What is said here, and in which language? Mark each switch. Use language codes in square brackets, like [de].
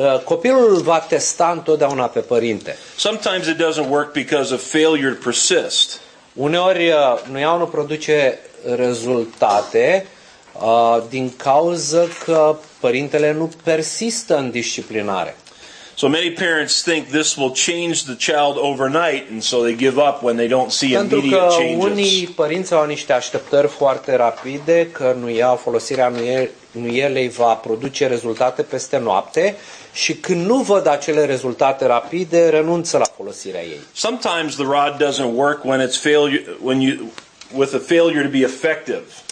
[ro] Copilul va testa întotdeauna pe părinte. [en] Sometimes it doesn't work because of failure to persist. [ro] Uneori nuiaua nu produce rezultate din cauza că părintele nu persistă în disciplinare. [en] So many parents think this will change the child overnight and so they give up when they don't see immediate changes. [ro] Pentru că unii părinți au niște așteptări foarte rapide că folosirea nuielei va produce rezultate peste noapte și când nu văd acele rezultate rapide renunță la folosirea ei. [en] Sometimes the rod doesn't work when it's with a failure to be effective.